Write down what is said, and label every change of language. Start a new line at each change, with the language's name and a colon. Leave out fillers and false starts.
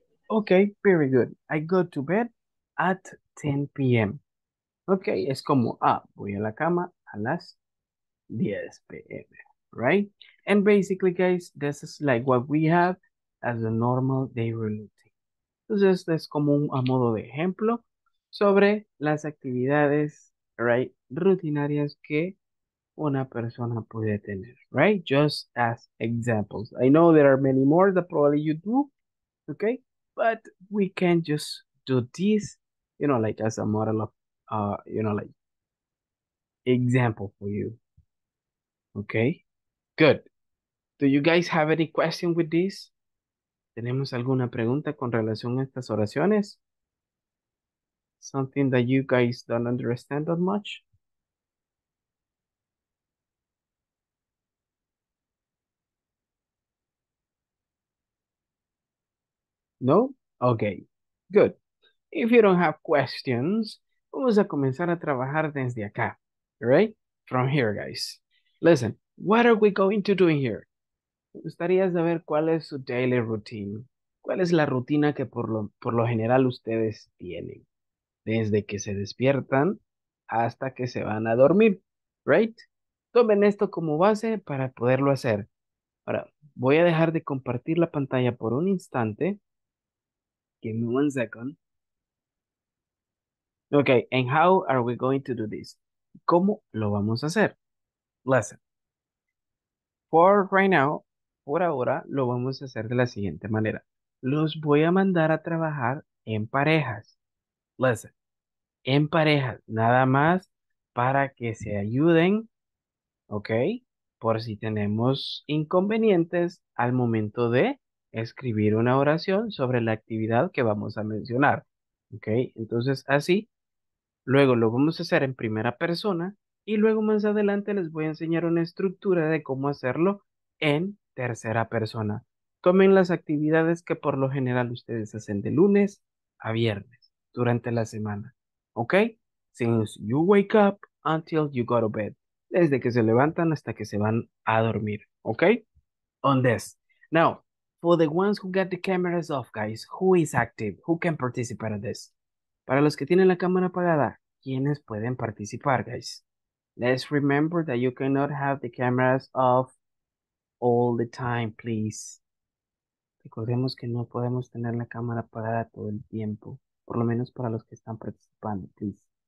English: Okay, very good. I go to bed at 10 p.m.
Spanish: Okay, es como, voy a la cama a las 10 p.m., right?
English: And basically, guys, this is like what we have as a normal day routine.
Spanish: Entonces, es como un a modo de ejemplo sobre las actividades, right, rutinarias que una persona puede tener, right?
English: Just as examples. I know there are many more that probably you do, okay? But we can just do this, you know, like as a model of, you know, like example for you, okay? Good. Do you guys have any question with this?
Spanish: ¿Tenemos alguna pregunta con relación a estas oraciones?
English: Something that you guys don't understand that much? No? Okay, good. If you don't have questions,
Spanish: vamos a comenzar a trabajar desde acá,
English: right? From here, guys. Listen, what are we going to do here?
Spanish: Me gustaría saber cuál es su daily routine. ¿Cuál es la rutina que por lo general ustedes tienen? Desde que se despiertan hasta que se van a dormir, right? Tomen esto como base para poderlo hacer. Ahora, voy a dejar de compartir la pantalla por un instante.
English: Give me 1 second. Okay, and how are we going to do this?
Spanish: ¿Cómo lo vamos a hacer?
English: Listen. For right now,
Spanish: por ahora, lo vamos a hacer de la siguiente manera. Los voy a mandar a trabajar en parejas.
English: Listen.
Spanish: En parejas, nada más para que se ayuden, okay, por si tenemos inconvenientes al momento de escribir una oración sobre la actividad que vamos a mencionar, ¿ok? Entonces, así, luego lo vamos a hacer en primera persona y luego más adelante les voy a enseñar una estructura de cómo hacerlo en tercera persona. Tomen las actividades que por lo general ustedes hacen de lunes a viernes durante la semana, ¿ok?
English: Since you wake up until you go to bed.
Spanish: Desde que se levantan hasta que se van a dormir, ¿ok?
English: On this. Now, for the ones who got the cameras off, guys, who is active? Who can participate in this?
Spanish: Para los que tienen la cámara apagada, ¿quiénes pueden participar, guys?
English: Let's remember that you cannot have the cameras off all the time, please.
Spanish: Recordemos que no podemos tener la cámara apagada todo el tiempo, por lo menos para los que están participando, please.